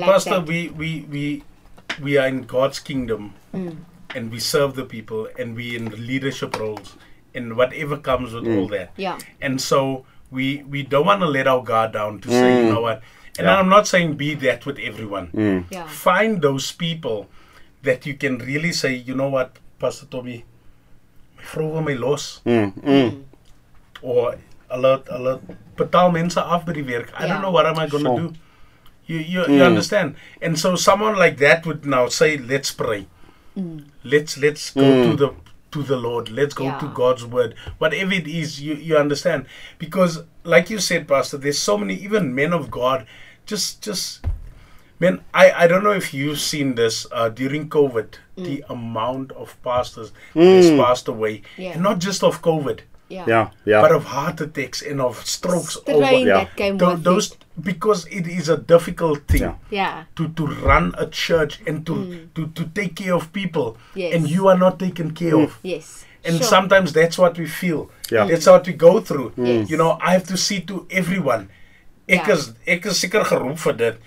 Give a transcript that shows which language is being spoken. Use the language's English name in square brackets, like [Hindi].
[English] Pastor, we are in God's kingdom and we serve the people and we in leadership roles and whatever comes with all that. Yeah. And so we don't want to let our guard down to say, you know what? And I'm not saying be that with everyone. Mm. Yeah. Find those people that you can really say, you know what, Pastor Tommy, [Afrikaans] my vrou, my los. Or hulle betaal mense af by die werk. [English] I don't know, what am I going to do? You understand? And so someone like that would now say, let's pray. Let's go to the Lord. Let's go to God's word. Whatever it is, you understand? Because like you said, Pastor, there's so many, even men of God, just... Man, I don't know if you've seen this during COVID, the amount of pastors that's passed away. Yeah. And not just of COVID. Yeah. But of heart attacks and of strokes. Those, because it is a difficult thing to run a church and to take care of people. Yes. And you are not taken care of. Yes. And sometimes that's what we feel. Yeah. That's what we go through. Yes. You know, I have to see to everyone. [Afrikaans] Ek is seker geroep vir dit.